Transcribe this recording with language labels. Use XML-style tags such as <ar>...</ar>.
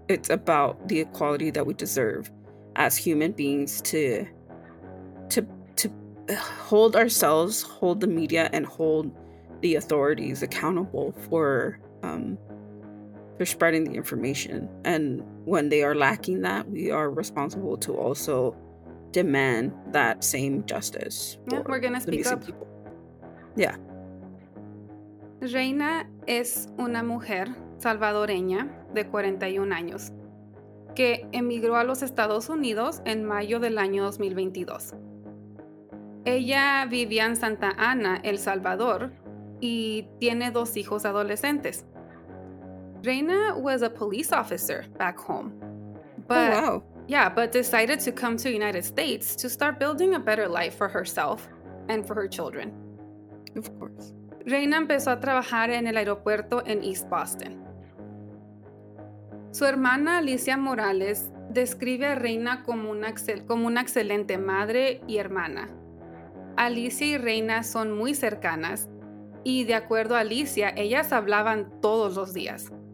<en>It's about the equality that we deserve as human beings to hold ourselves, hold the media, and hold the authorities accountable for spreading the information. And when they are lacking that, we are responsible to also demand that same justice. Yeah, we're gonna speak up. People. Yeah.</en> <es>Reina es una mujer salvadoreña de 41 años que emigró a los Estados Unidos en mayo del año 2022. Ella vivía en Santa Ana, El Salvador, y tiene dos hijos adolescentes.</es> <en>Reina was a police officer back home, but, oh, wow. Yeah, but decided to come to the United States to start building a better life for herself and for her children. Of course.</en> <es>Reina empezó a trabajar en el aeropuerto en East Boston. Su hermana Alicia Morales describe a Reina como una excelente madre y hermana. Alicia y Reina son muy cercanas, y de acuerdo a Alicia, ellas hablaban todos los días.</es>